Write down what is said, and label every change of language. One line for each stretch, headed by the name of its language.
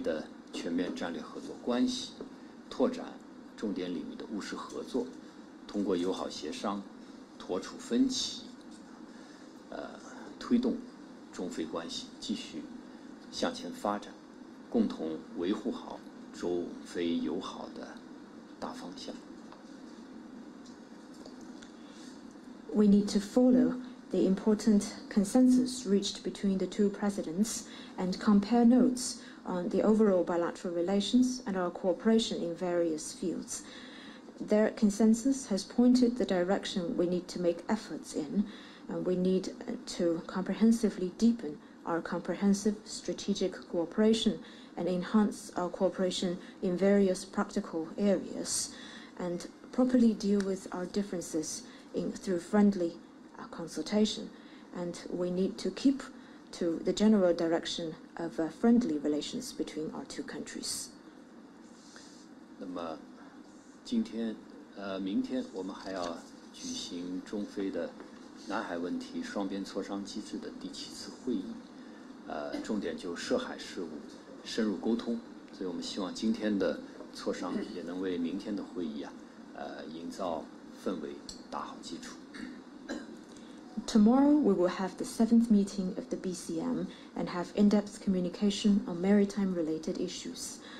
Chinese: 那么我也愿同副外长女士一道，以两国元首的共识为遵循，就中非关系和各领域合作，全面的对表，按照两国领导人为我们指引的方向，深化中非的全面战略合作关系，拓展 重点领域的务实合作，通过友好协商，妥处分歧，推动中非关系继续向前发展，共同维护好中非友好的大方向。
English: We need to follow the important consensus reached between the two presidents and compare notes on the overall bilateral relations and our cooperation in various fields. Their consensus has pointed the direction we need to make efforts in, and we need to comprehensively deepen our comprehensive strategic cooperation and enhance our cooperation in various practical areas and properly deal with our differences through friendly consultation. And we need to keep to the general direction of friendly relations between our two countries.
Chinese: 那么今天，明天我们还要举行中非的南海问题双边磋商机制的第七次会议，重点就涉海事务深入沟通，所以我们希望今天的磋商也能为明天的会议营造氛围打好基础。
English: Tomorrow we will have the 7th meeting of the BCM and have in-depth communication on maritime related issues.